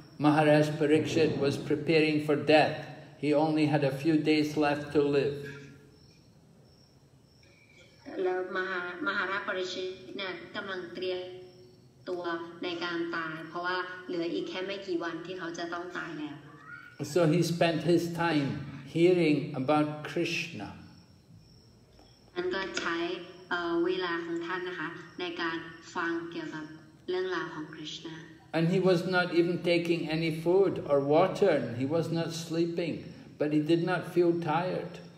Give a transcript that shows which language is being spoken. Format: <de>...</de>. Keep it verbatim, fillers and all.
<en>Maharaj Parikshit was preparing for death. He only had a few days left to live.</en> <th>แล้วมหามหาราชปริชิตเนี่ยกำลังเตรียมตัวในการตายเพราะว่าเหลืออีกแค่ไม่กี่วันที่เขาจะต้องตายแล้ว</th> <en>So he spent his time hearing about Krishna.</en> <th>ท่านก็ใช้เวลาของท่านนะคะในการฟังเกี่ยวกับเรื่องราวของ Krishna.</th> <en>And he was not even taking any food or water. He was not sleeping, but he did not feel tired.</en>